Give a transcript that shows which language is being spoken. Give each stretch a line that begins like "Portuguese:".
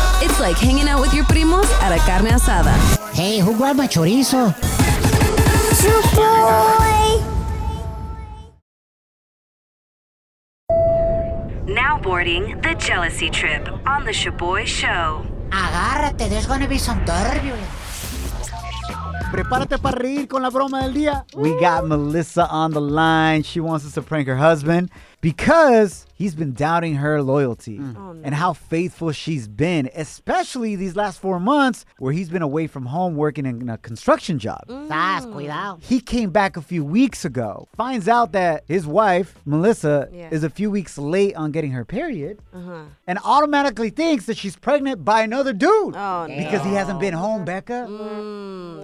English: It's like hanging out with your primos at a carne asada. Hey, who grab my chorizo? Shaboy. Now boarding the Jealousy Trip on the Shaboy Show.
Spanish: Agárrate,
English: there's gonna be some turbulence.
Spanish: Prepárate para reír con la broma del día.
English: We got Melissa on the line. She wants us to prank her husband because he's been doubting her loyalty and how faithful she's been, especially these last 4 months where he's been away from home working in a construction job.
Spanish: Sas, cuidado.
English: He came back a few weeks ago, finds out that his wife, Melissa, is a few weeks late on getting her period, and automatically thinks that she's pregnant by another dude because he hasn't been home, Becca.